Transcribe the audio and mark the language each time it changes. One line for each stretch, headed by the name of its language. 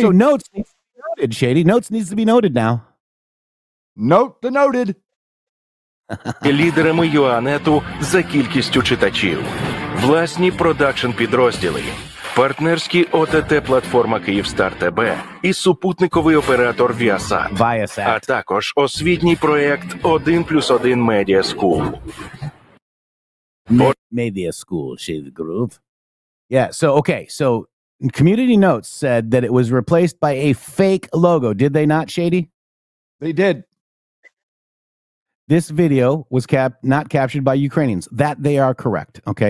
English: So notes needs to be noted, Shady. Notes needs to be noted now. Note the noted.
Ukrainian: Лідерами ЮАНЕТу за кількістю читачів. Власні продакшн-підрозділи. Партнерські ОТТ-платформа «Київстар.ТБ» і супутниковий оператор «Viasat». А також освітній проєкт «1 плюс 1 Media School».
English: Media School, Shady Group. Yeah, so, okay, so... Community Notes said that it was replaced by a fake logo. Did they not, Shady? They did. This video was not captured by Ukrainians. That they are correct, okay?